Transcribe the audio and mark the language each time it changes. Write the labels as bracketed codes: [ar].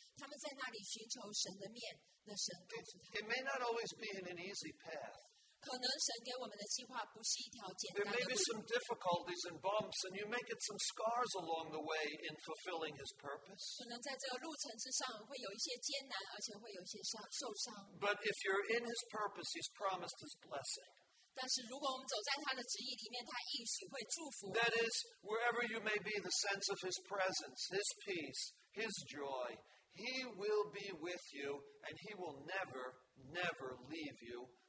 [zh] 所以呢，他们在这里呢，寻求神的时候，不是拿一本地图，就随便一翻，哦，这是加利利，哦，我不想去这里，再一翻，意大利，我也不想去，再一翻到中国，他们不是这个寻求神的方式，他们在那里寻求神的面，那神告诉他们。 [en] It may not always be an easy path. [zh] 可能神给我们的计划不是一条简单的路。 [en] There may be some difficulties and bumps, and you may get some scars along the way in fulfilling His purpose. [zh] 可能在这个路程之上会有一些艰难，而且会有一些受伤。 [en] But if you're in His purpose, He's promised His blessing. [zh] 但是如果我们走在他的旨意里面，他应许会祝福。 [en] That is, wherever you may be, the sense of His presence, His peace, His joy, He will be with you, and He will never, never leave you.